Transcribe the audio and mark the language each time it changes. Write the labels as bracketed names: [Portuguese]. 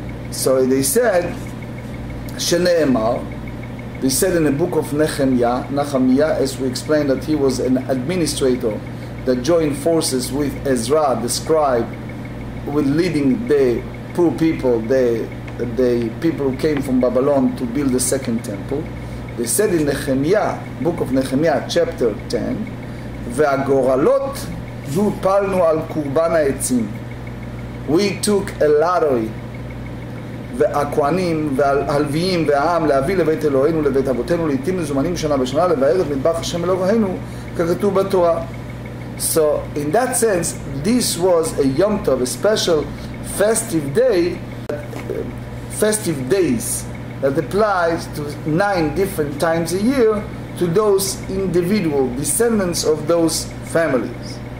[English] So they said, Shene'emar, they said in the book of Nehemiah, Nehemiah, as we explained, that he was an administrator that joined forces with Ezra, the scribe, with leading the poor people, the people who came from Babylon to build the second temple. They said in Nehemiah, book of Nehemiah, chapter 10, [Hebrew] והגורלות הופלנו על קורבן העצים. [English] We took a lottery, [Hebrew] והכהנים והלוויים והעם, להביא לבית אלוהינו, לבית אבותינו, לעתים מזומנים שנה בשנה, לבאר את מטבח השם אלוהינו, ככתוב בתורה. [English] So in that sense, this was a Yom Tov, a special festive day, festive days that applies to 9 different times a year to those individual descendants of those families.